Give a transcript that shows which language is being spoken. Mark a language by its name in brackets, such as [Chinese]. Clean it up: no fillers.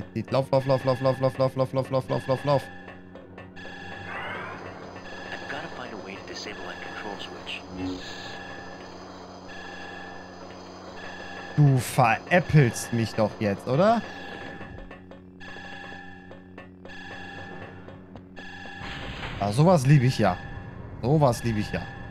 [German] Lauf, lauf, lauf, lauf, lauf, lauf, lauf, lauf, lauf, lauf, lauf, lauf, lauf. [English] I've got to find a way to disable that control switch. [German] Du veräppelst mich doch jetzt, oder? Ah, sowas liebe ich ja. Sowas liebe ich ja.